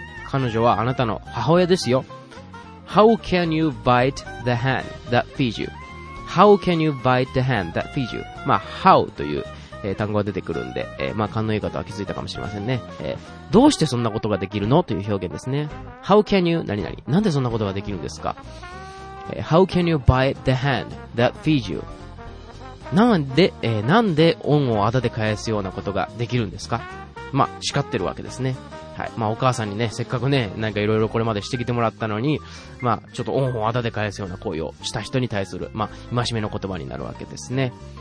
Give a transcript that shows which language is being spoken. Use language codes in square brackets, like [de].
[ja] 彼女はあなたの母親ですよ。 [en] How can you bite the hand that feeds you?How can you bite the hand that feeds you? [ja] まあ、how という、単語が出てくるんで、まあ勘のいい方は気づいたかもしれませんね。どうしてそんなことができるのという表現ですね。 [en] How can you [ja] 何々、なんでそんなことができるんですか。 [en] How can you buy the hand that feeds you? [ja] なんで恩をあだで返すようなことができるんですか。まあ叱ってるわけですね。はい。まあお母さんにね、せっかくね、なんかいろいろこれまでしてきてもらったのに、まあちょっと恩をあだで返すような行為をした人に対する、まあ戒めの言葉になるわけですね。